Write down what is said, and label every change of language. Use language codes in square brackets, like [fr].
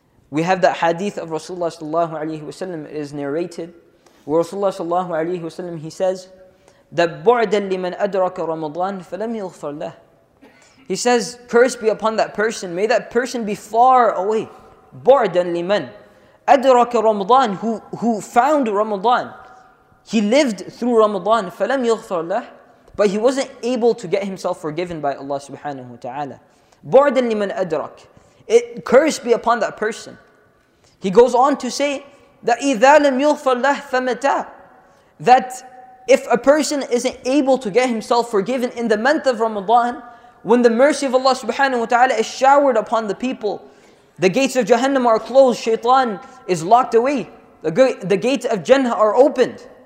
[en] We have that hadith of Rasulullah sallallahu alayhi wa sallam is narrated, where Rasulullah sallallahu alayhi wa sallam, he says, that [ar] بُعْدًا لِمَنْ أَدْرَكَ رَمَضَانٍ فَلَمْ يَغْفَرْ لَهُ. [en] He says, curse be upon that person, may that person be far away. [ar] بُعْدًا لِمَنْ أَدْرَكَ رَمَضَانٍ, [en] who found Ramadan. He lived through Ramadan, [ar] فَلَمْ يَغْفَرْ لَهُ, [en] but he wasn't able to get himself forgiven by Allah subhanahu wa ta'ala. [ar] بُعْدًا لِمَنْ أَدْرَكَ, [en] curse be upon that person. He goes on to say, that [ar] إِذَا لَمْ يُغْفَرْ لَهُ فَمَتَى, [en] that if a person isn't able to get himself forgiven in the month of Ramadan, when the mercy of Allah subhanahu wa ta'ala is showered upon the people, the gates of Jahannam are closed, shaitan is locked away, the gates of Jannah are opened.